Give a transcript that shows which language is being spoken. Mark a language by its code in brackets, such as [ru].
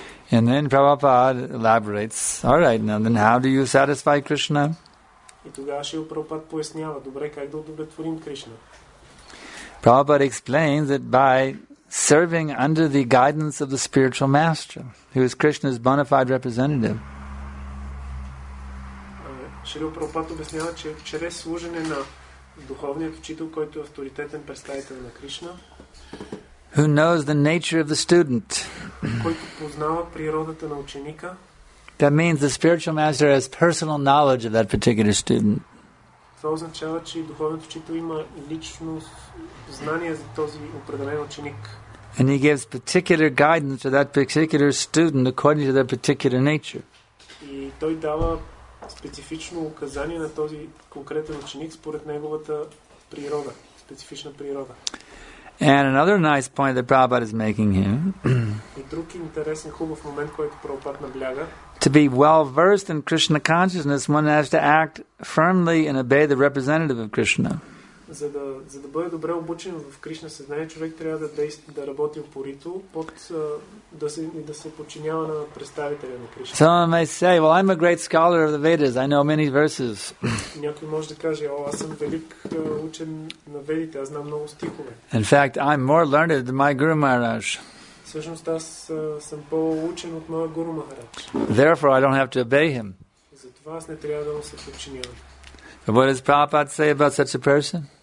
[en] And then Prabhupada elaborates, all right, now then how do you satisfy Krishna? Prabhupada explains that by serving under the guidance of the spiritual master, who is Krishna's bona fide representative. [bg] Шрила Прабхупада обяснява, че чрез служене на духовния учител, който е авторитетен представител на Кришна, [en] who knows the nature of the student, [bg] който познава природата на ученика, [en] that means the spiritual master has personal knowledge of that particular student. [bg] Това означава, че духовният учител има лично знание за този определен ученик. [en] And he gives particular guidance to that particular student according to their particular nature. [bg] И той дава специфично указание на този конкретен ученик според неговата природа, специфична природа. [en] And another nice point that Prabhupada is making here. [bg] И друг интересен хубав момент, който Прабхупада набляга. [en] To be well versed in Krishna consciousness, one has to act firmly and obey the representative of Krishna. [bg] За да бъде добре обучен в Кришна съзнание, човек трябва да действа, да работи упорито, да се подчинява на представителя на Кришна. [en] Some may say, well, I'm a great scholar of the Vedas. I know many verses. [bg] Някой може да каже, о, аз съм велик учен на Ведите, аз знам много стихове. [en] In fact, I'm more learned than my Guru Maharaj. [bg] Всъщност аз съм по-учен от моя Гуру Махарадж. [en] Therefore, I don't have to obey him. [bg] Затова аз не трябва да му се подчинявам. [en] What does Prabhupada say about such a person?